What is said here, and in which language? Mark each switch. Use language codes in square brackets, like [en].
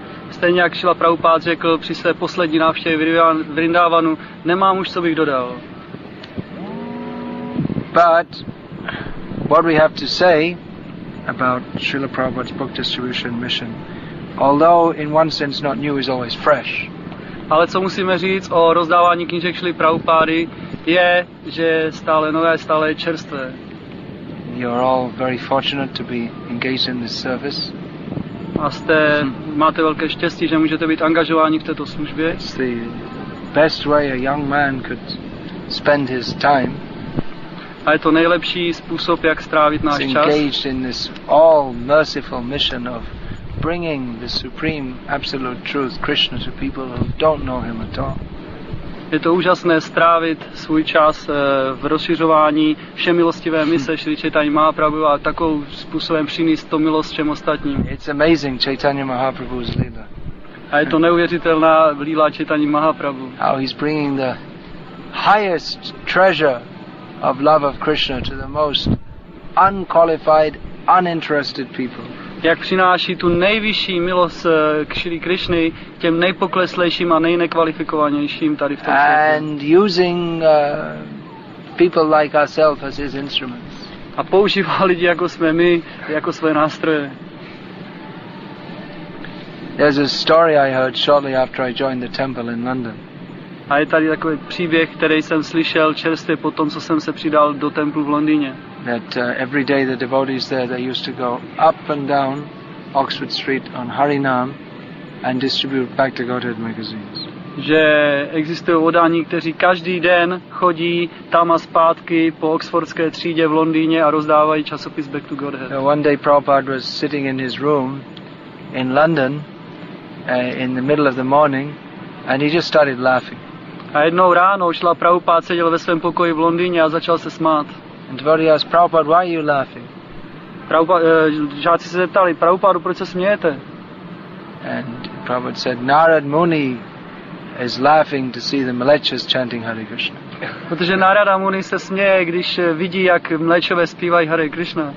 [cs] Stejně jak Šila Prabhupád řekl při své poslední návštěvě v Vrindavanu, nemám už co bych dodal. [en] But what we have to say about Srila Prabhupada's book distribution mission, although in one sense not new, is always fresh. [cs] Ale co musíme říct o rozdávání knížek Šily Prabhupády je, že stále nové, stále čerstvé. [en] You are all very fortunate to be engaged in this service. [cs] A jste, máte velké štěstí, že můžete být angažováni v této službě. [en] It's the best way a young man could spend his time. [cs] A je to nejlepší způsob, jak strávit náš čas. [en] Engaged in this all-merciful mission of bringing the supreme absolute truth Krishna to people who don't know him at all. [cs] Je to úžasné strávit svůj čas v rozšiřování všemilostivé mise Šri Chaitanya Mahaprabhu a takovým způsobem přinést to milost všem ostatním. [en] It's amazing Chaitanya Mahaprabhu's lila. [cs] A je to neuvěřitelná lila Chaitanya Mahaprabhu. [en] How he's bringing the highest treasure of love of Krishna to the most unqualified, uninterested people. [cs] Jak přináší tu nejvyšší milost k Šri Krišny těm nejpokleslejším a nejnekvalifikovanějším tady v tom světě. [en] And using people like ourselves as his instruments. [cs] A používá lidi jako jsme my jako své nástroje. [en] There's a story I heard shortly after I joined the temple in London. [cs] A je tady takový příběh, který jsem slyšel čerstvě po tom, co jsem se přidal do templu v Londýně. [en] That every day the devotees there, they used to go up and down Oxford Street on Harinam and distribute Bhakti Godhead magazines. [cs] Že existují oddaní, kteří každý den chodí tam a zpátky po Oxfordské třídě v Londýně a rozdávají časopis Bhakti Godhead. [en] So one day Prabhupada was sitting in his room in London in the middle of the morning and he just started laughing. [cs] A jednou ráno šla Prabhupada seděl ve svém pokoji v Londýně a začal se smát. [en] And devotee asked Prabhupada, why are you laughing? [cs] Žáci se zeptali, Prabhupada, proč se smějete? [en] And Prabhupada said, Narad Muni is laughing to see the mlečas chanting Hare Krishna. [cs] Protože Narada Muni se směje, když vidí, jak mlečové zpívají Hare Krishna.